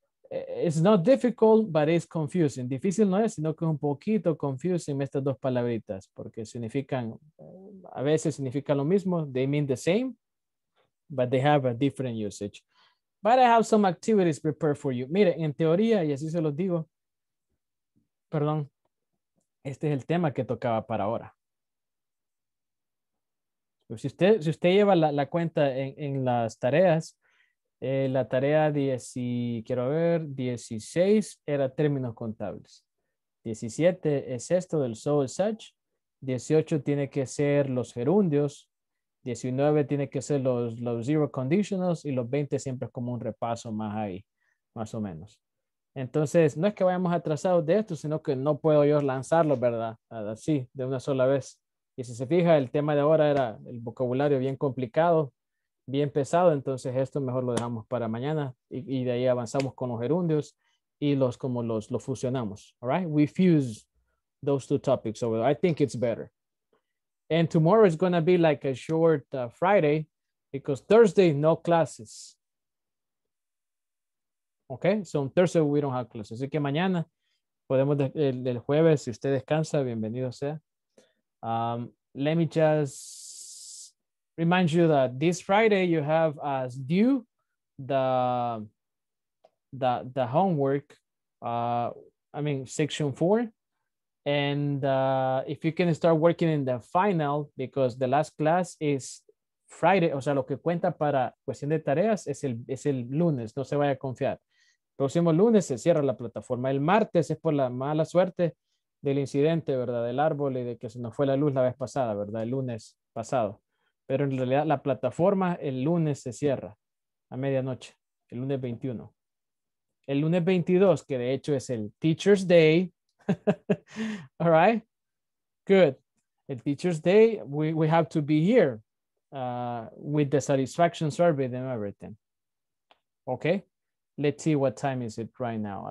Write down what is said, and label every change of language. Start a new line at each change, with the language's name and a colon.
English: It's not difficult, but it's confusing.
Spanish: Difícil no es, sino que es un poquito confusing estas dos palabritas, porque significan, a veces significa lo mismo,
English: they mean the same, but they have a different usage. But I have some activities prepared for you.
Spanish: Mire, en teoría, y así se los digo, perdón, este es el tema que tocaba para ahora. Si usted lleva la cuenta en las tareas, la tarea 16 era términos contables. 17 es esto del so and such. 18 tiene que ser los gerundios. 19 tiene que ser los zero conditionals. Y los 20 siempre es como un repaso más ahí, más o menos. Entonces, no es que vayamos atrasados de esto, sino que no puedo yo lanzarlo, ¿verdad? Así, de una sola vez. Y si se fija, el tema de ahora era el vocabulario bien complicado, bien pesado. Entonces esto mejor lo dejamos para mañana y de ahí avanzamos con los gerundios y los fusionamos.
English: All right? We fuse those two topics. So I think it's better. And tomorrow is going to be like a short Friday because Thursday, no classes. Okay? So on Thursday, we don't have classes.
Spanish: Así que mañana podemos el jueves, si usted descansa, bienvenido sea.
English: Let me just remind you that this Friday you have as due the homework, section 4. And if you can start working in the final, because the last class is Friday,
Spanish: o sea, lo que cuenta para cuestión de tareas es el lunes, no se vaya a confiar. Próximo lunes se cierra la plataforma. El martes es por la mala suerte del incidente, ¿verdad? Del árbol y de que se nos fue la luz la vez pasada, ¿verdad? El lunes pasado. Pero en realidad la plataforma el lunes se cierra a medianoche, el lunes 21. El lunes 22, que de hecho es el Teacher's Day.
English: All right? Good. El Teacher's Day, we have to be here with the satisfaction survey and everything. Okay? Let's see what time is it right now.